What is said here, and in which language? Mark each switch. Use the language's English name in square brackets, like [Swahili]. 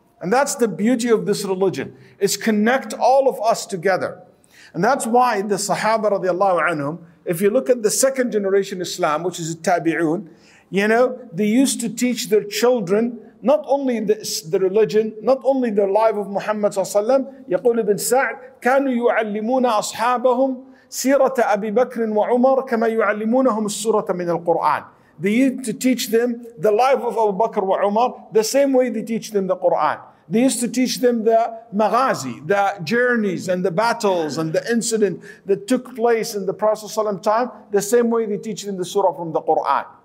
[English] And that's the beauty of this religion. It's connect all of us together. And that's why the Sahaba radiallahu anhum, if you look at the second generation Islam, which is the Tabi'un, You know, they used to teach their children not only the religion, not only the life of Muhammad ﷺ. [Arabic] يقول ابن سعد كانوا يعلمون أصحابهم سيرة أبي بكر وعمر كما يعلمونهم السورة من القرآن. [English] They used to teach them the life of Abu Bakr and Umar the same way they teach them the Quran. They used to teach them the maghazi, the journeys and the battles and the incident that took place in the Prophet ﷺ time, the same way they teach them the surah from the Quran.